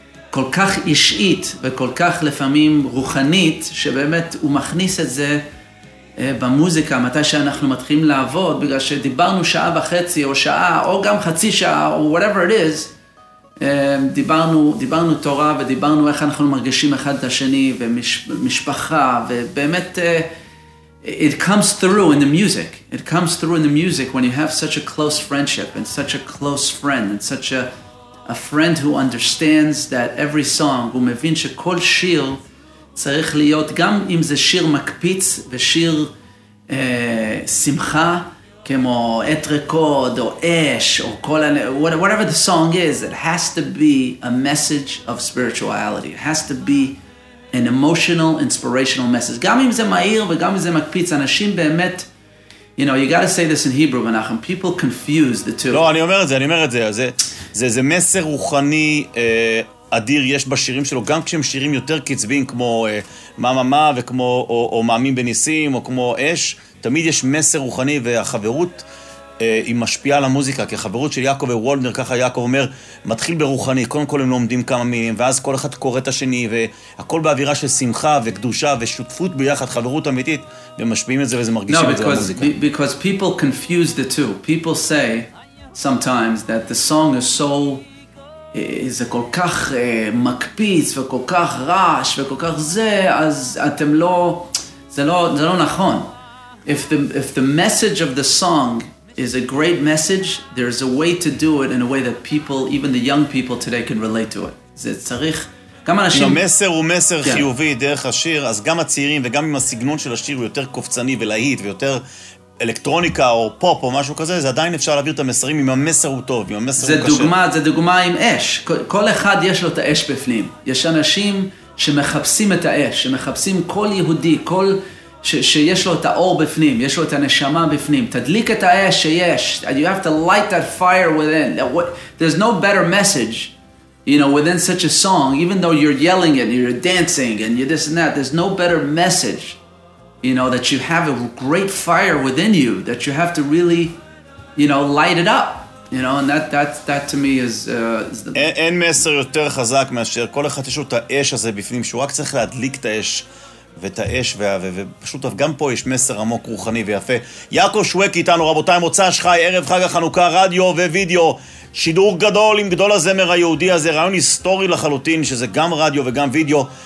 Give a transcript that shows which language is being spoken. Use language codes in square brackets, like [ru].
[he] כל כך אישית וכל כך לפעמים רוחנית, שבאמת הוא מכניס את זה במוזיקה, מתי שאנחנו מתחילים לעבוד, בגלל שדיברנו שעה וחצי או שעה, או גם חצי שעה, או [en] whatever it is, [he] דיברנו תורה ודיברנו איך אנחנו מרגישים אחד את השני, ומשפחה, ובאמת, [en] it comes through in the music. It comes through in the music when you have such a close friendship and such a close friend and such a... a friend who understands that every song, [he] הוא מבין שכל שיר צריך להיות, גם אם זה שיר מקפיץ ושיר שמחה, כמו את רקוד או אש או כל, [en] whatever the song is, it has to be a message of spirituality. It has to be an emotional, inspirational message. [he] גם אם זה מהיר וגם אם זה מקפיץ, אנשים באמת, [en] you know, you got to say this in Hebrew, Menachem. People confuse the two. [he] לא, אני אומר את זה, אני אומר את זה. זה מסר רוחני אדיר יש בשירים שלו, גם כשהם שירים יותר קצבים, כמו מה, וכמו, או מאמין בניסים, או כמו אש, תמיד יש מסר רוחני, והחברות היא משפיעה על המוזיקה, כי החברות של יעקב וולדנר, ככה יעקב אומר, מתחיל ברוחני, קודם כל הם לומדים כמה מילים, ואז כל אחד קורא את השני, והכל באווירה של שמחה וקדושה ושותפות ביחד, חברות אמיתית, ומשפיעים את זה וזה מרגישים את זה במוזיקה. [en] No, because people confuse the two. People say sometimes that the song is so, [he] זה כל כך מקפיץ וכל כך רעש וכל כך זה, אז אתם לא, זה לא נכון. [en] If the message of the song is a great message, there's a way to do it in a way that people, even the young people today, can relate to it. [he] זה צריך, כמה אנשים... אם המסר הוא מסר חיובי דרך השיר, אז גם הצעירים וגם עם הסגנון של השיר הוא יותר קופצני ולהיט ויותר אלקטרוניקה או פופ או משהו כזה, זה עדיין אפשר להעביר את המסרים אם המסר הוא טוב, אם המסר הוא קשה. זה דוגמה עם אש. כל אחד יש לו את האש בפנים. יש אנשים שמחפשים את האש, שמחפשים כל יהודי, כל... שיש לו את האור בפנים, יש לו את הנשמה בפנים. תדליק את האש שיש. [en] You have to light that fire within. There's no better message, you know, within such a song, even though you're yelling it, you're dancing, and you're this and that, there's no better message, you know, that you have a great fire within you, that you have to really, you know, light it up. You know, and that to me is the... [he] אין מסר יותר חזק מאשר כל אחד יש לו את האש הזה בפנים, שהוא רק צריך להדליק את האש. ואת האש, ופשוט גם פה יש מסר עמוק רוחני ויפה. יעקב שווק איתנו, רבותיי, מוצא שחי, ערב חג החנוכה, רדיו ווידאו, שידור גדול עם גדול הזמר היהודי הזה, רעיון היסטורי לחלוטין, שזה גם רדיו וגם וידאו.